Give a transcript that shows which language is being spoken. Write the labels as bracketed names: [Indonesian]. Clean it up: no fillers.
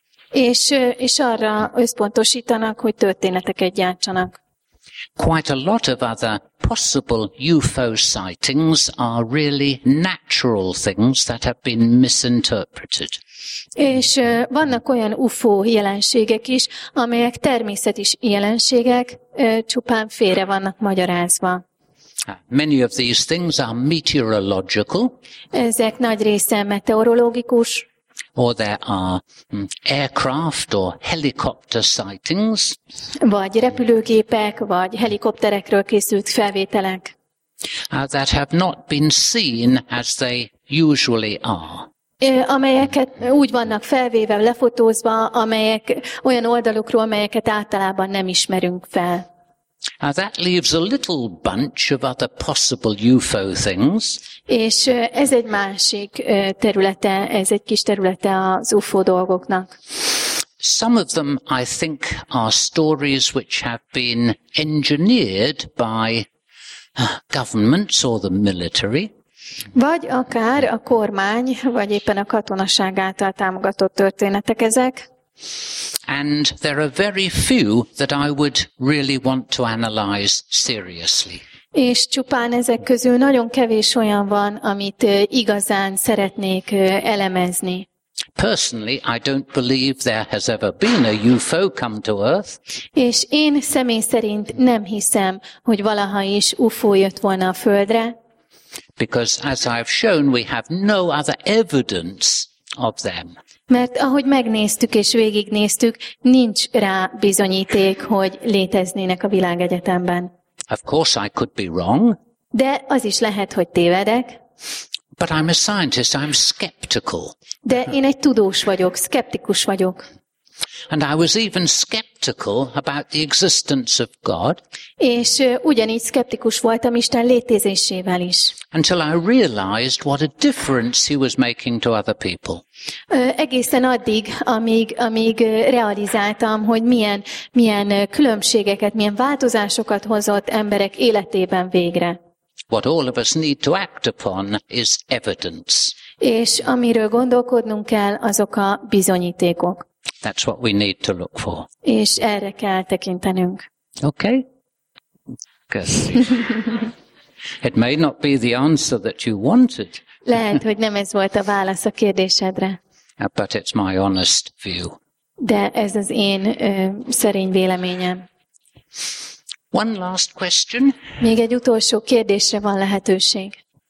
[Hungarian] És arra összpontosítanak, hogy történeteket gyártsanak. [English] Quite a lot of other possible UFO sightings are really natural things that have been misinterpreted. [Hungarian] És vannak olyan UFO jelenségek is, amelyek természeti jelenségek, csupán félre vannak magyarázva. [English] Many of these things are meteorological. [Hungarian] Ezek nagy része meteorológikus. [English] Or there are aircraft or helicopter sightings. [Hungarian] Vagy repülőgépek, vagy helikopterekről készült felvételek. [English] That have not been seen as they usually are. [Hungarian] Amelyeket úgy vannak felvéve, lefotózva, amelyek olyan oldalukról, amelyeket általában nem ismerünk fel. [English] That leaves a little bunch of other possible UFO things. [Hungarian] És ez egy másik területe, ez egy kis területe az UFO dolgoknak. [English] Some of them, I think, are stories which have been engineered by governments or the military. [Hungarian] Vagy akár a kormány, vagy éppen a katonaság által támogatott történetek ezek. [English] And there are very few that I would really want to analyze seriously. [Hungarian] És csupán ezek közül nagyon kevés olyan van, amit igazán szeretnék elemezni. [English] Personally, I don't believe there has ever been a UFO come to Earth. [Hungarian] És én személy szerint nem hiszem, hogy valaha is UFO jött volna a Földre. [English] Because as I've shown, we have no other evidence of them. [Hungarian] Mert ahogy megnéztük és végignéztük, nincs rá bizonyíték, hogy léteznének a világegyetemben. [English] Of course I could be wrong. [Hungarian] De az is lehet, hogy tévedek. [English] But I'm a scientist, I'm skeptical. [Hungarian] De én egy tudós vagyok, szkeptikus vagyok. [English] And I was even skeptical about the existence of God. [Hungarian] És ugyanígy szkeptikus voltam Isten létezésével is. [English] Until I realized what a difference he was making to other people. [Hungarian] Egészen addig, amíg realizáltam, hogy milyen különbségeket, milyen változásokat hozott emberek életében végre. [English] What all of us need to act upon is evidence. [Hungarian] És amiről gondolkodnunk kell, azok a bizonyítékok. [English] That's what we need to look for. [Hungarian] És erre kell tekintenünk. [English] Okay. Good. It may not be the answer that you wanted. [Hungarian] Lehet, hogy nem ez volt a válasz a kérdésedre. [English] But it's my honest view. [Hungarian] De ez az én szerény véleményem. [English] One last question. [Hungarian] Még egy utolsó kérdésre van lehetőség.